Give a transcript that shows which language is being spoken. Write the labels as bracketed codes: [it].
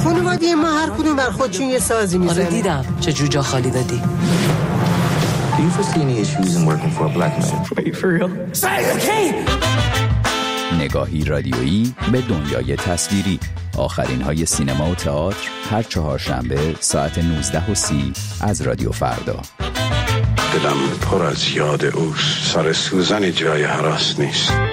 [fa] خانواده ما هر کدوم بر خودشون یه سازی میزنه. آره دیدم چه جوجه خالی دادی. [en] Do you foresee any issues in working for a black man? Are you for real? Say it, okay. [fa] نگاهی رادیویی به دنیای تصویری، آخرین های سینما و تئاتر هر چهارشنبه ساعت 19:30 از رادیو فردا. دلم پر از یاد اوست، سر سوزنی جای هراس نیست.